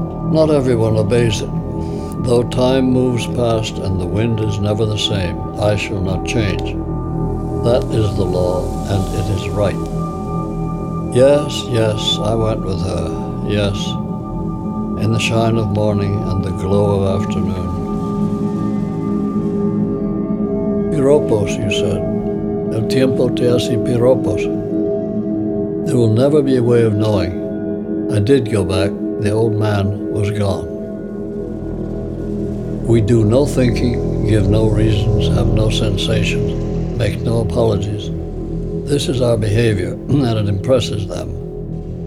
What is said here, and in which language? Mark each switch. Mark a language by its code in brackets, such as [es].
[en] Not everyone obeys it. Though time moves past and the wind is never the same, I shall not change. That is the law, and it is right. Yes, yes, I went with her, yes. In the shine of morning and the glow of afternoon. Piropos, you said. [es] El tiempo te hace piropos. [en] There will never be a way of knowing. I did go back. The old man was gone. We do no thinking, give no reasons, have no sensations, make no apologies. This is our behavior, and it impresses them.